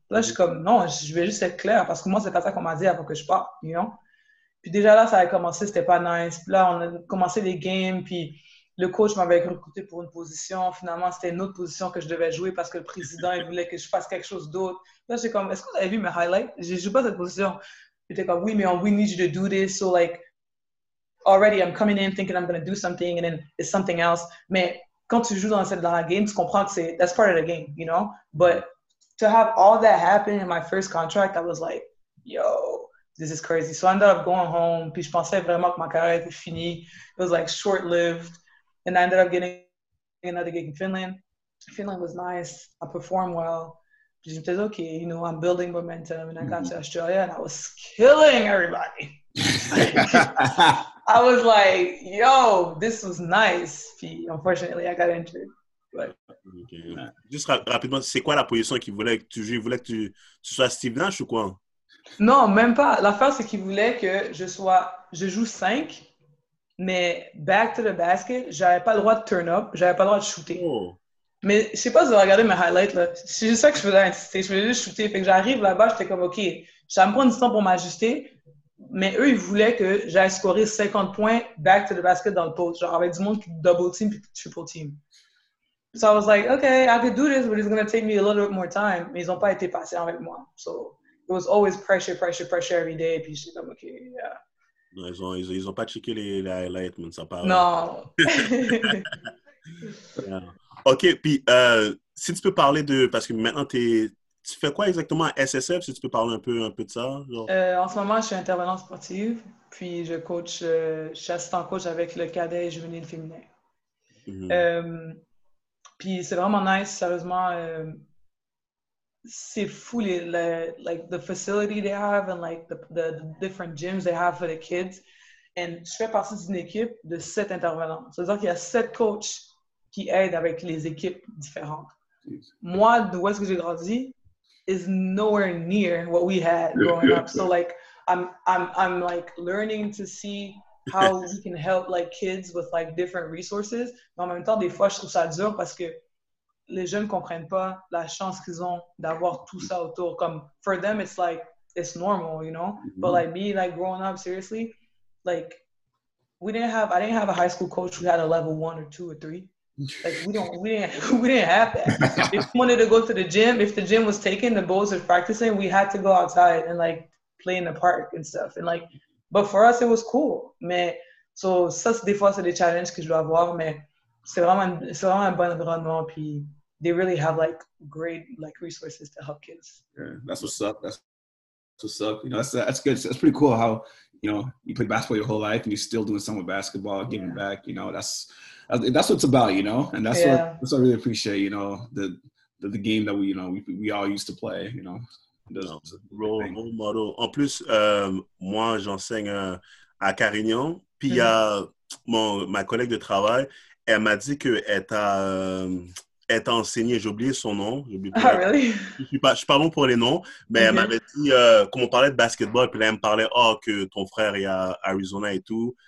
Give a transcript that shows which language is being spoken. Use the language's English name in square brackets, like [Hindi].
[French] Là, je suis comme, non, je vais juste être clair parce que moi, c'est pas ça qu'on m'a dit avant que je parte, you know? Puis déjà là, ça a commencé, c'était pas nice. Puis là, on a commencé les games, puis le coach m'avait recruté pour une position. Finalement, c'était une autre position que je devais jouer parce que le président, il voulait que je fasse quelque chose d'autre. Là, j'étais comme, est-ce que vous avez vu mes highlights? Je joue pas cette position. Puis j'étais comme, oui, mais [English] we need you to do this. So, like, already I'm coming in thinking I'm going to do something and then it's something else. [French] Mais quand tu joues dans la game, tu comprends que c'est, [English] that's part of the game, [French] you know? [English] But to have all that happen in my first contract, I was like, yo, this is crazy. So I ended up going home. [French] Puis je pensais vraiment que ma carrière était finie. [English] It was like short-lived. And I ended up getting another gig in Finland. Finland was nice. I performed well. [French] Puis je me disais, [English] okay, you know, I'm building momentum. And I got to Australia and I was killing everybody. I was like, yo, this was nice. Puis unfortunately, I got injured. Okay. [French] Juste rapidement, c'est quoi la position qu'il voulait que tu joues? Il voulait que tu sois Steve Nash ou quoi? Non, même pas. L'affaire, c'est qu'il voulait que je joue 5, mais back to the basket, j'avais pas le droit de turn up, j'avais pas le droit de shooter. Oh. Mais je sais pas si vous avez regardé mes highlights, là. C'est juste ça que je voulais insister. Je voulais juste shooter. Fait que j'arrive là-bas, j'étais comme, OK, ça me prend du temps pour m'ajuster. Mais eux, ils voulaient que j'aille scorer 50 points back to the basket dans le post. Genre, avec du monde qui double team puis triple team. [English] So I was like, OK, I could do this, but it's going to take me a little bit more time. [French] Mais ils n'ont pas été patients avec moi. [English] So it was always pressure, pressure, pressure every day. [French] Puis j'étais comme, [English] OK, yeah. [French] Non, ils ont pas checké les highlights, mais ça parle. Non. Yeah. OK, puis si tu peux parler de... Parce que maintenant, tu fais quoi exactement à SSF, si tu peux parler un peu de ça? En ce moment, je suis intervenante sportive, puis je coach, je suis assistant coach avec le cadet juvénile féminin. Mm-hmm. Puis c'est vraiment nice, sérieusement. C'est fou, [English] like the facility they have and like the different gyms they have for the kids. [French] And je fais partie d'une équipe de 7 intervenants. C'est-à-dire qu'il y a 7 coachs qui aident avec les équipes différentes. [English] Jeez. [French] Moi, d'où est-ce que j'ai grandi, [English] is nowhere near what we had growing up. So like I'm like learning to see how we can help like kids with like different resources. [French] Mais en même temps, des fois, je trouve ça dur parce que les jeunes comprennent pas la chance qu'ils ont d'avoir tout ça autour. [English] Comme for them, it's like it's normal, you know. Mm-hmm. But like me, like growing up, seriously, like I didn't have a high school coach who had a level 1 or 2 or 3. Like we didn't have that. If we wanted to go to the gym, if the gym was taken, the boys were practicing, we had to go outside and like play in the park and stuff. And like, but for us, it was cool. Mais so ça, des fois, c'est des challenges que je dois avoir, mais c'est vraiment un bon environnement, puis they really have like great like resources to help kids. Yeah, that's what's up. You know, that's good. That's pretty cool how, you know, you play basketball your whole life and you're still doing summer basketball, giving yeah. back. You know, that's what it's about. You know, and that's what I really appreciate. You know, the game that we all used to play. You know, role model. [French] En plus, moi j'enseigne à Carignan, puis il y a ma collègue de travail. Elle m'a dit qu'elle t'a enseigné, j'ai oublié son nom. [English] Really? [French] Je suis pas bon pour les noms, mais mm-hmm. elle m'avait dit, comme on parlait de basketball, puis là, elle me parlait, que ton frère est à Arizona et tout.